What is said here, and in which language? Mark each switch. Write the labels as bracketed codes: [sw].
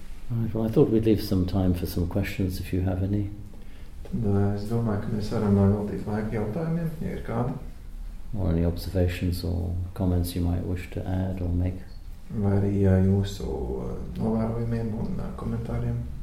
[en] Right, well, I thought we'd leave some time for some questions if you have any. [lv] Es domāju, ka mēs varam veltīt laiku jautājumiem, ja ir kādi. [en] Or any observations or comments you might wish to add or make. [lv] Vai arī jūsu novērojumiem un komentāriem.